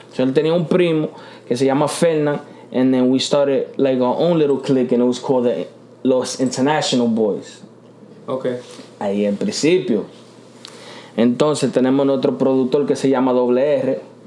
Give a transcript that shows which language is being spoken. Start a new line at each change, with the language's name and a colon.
Spanish: So, él tenía un primo que se llama Fernan.
English: And then we started like our own little clique. And it was called the Los International Boys. Okay.
Spanish: Ahí en principio. Entonces tenemos nuestro productor que se llama WR.